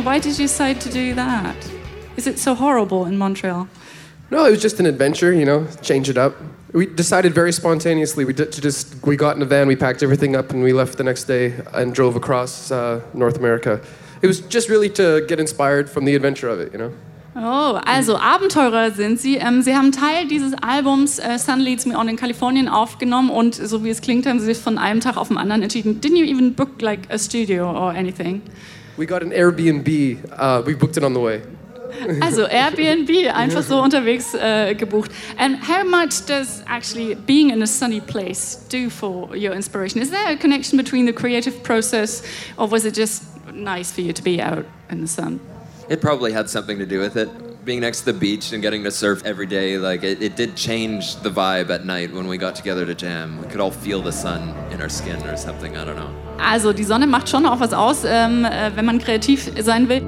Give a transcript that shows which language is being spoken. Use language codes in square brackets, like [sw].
[en] Why did you decide to do that? Is it so horrible in Montreal? No, it was just an adventure, you know, change it up. We decided very spontaneously. We got in a van, we packed everything up, and we left the next day and drove across North America. It was just really to get inspired from the adventure of it, you know? [de] Oh, also Abenteurer sind sie. Sie haben Teil dieses Albums Sun Leads Me On in Kalifornien aufgenommen und so wie es klingt, haben sie sich von einem Tag auf den anderen entschieden. [en] Didn't you even book like a studio or anything? We got an Airbnb. We booked it on the way. [de] Also Airbnb, einfach so unterwegs gebucht. [en] And how much does actually being in a sunny place do for your inspiration? Is there a connection between the creative process or was it just nice for you to be out in the sun? It probably had something to do with it. Being next to the beach and getting to surf every day, like it did change the vibe at night when we got together to jam. We could all feel the sun in our skin or something, I don't know. [de] Also, die Sonne macht schon auch was aus, wenn man kreativ sein will.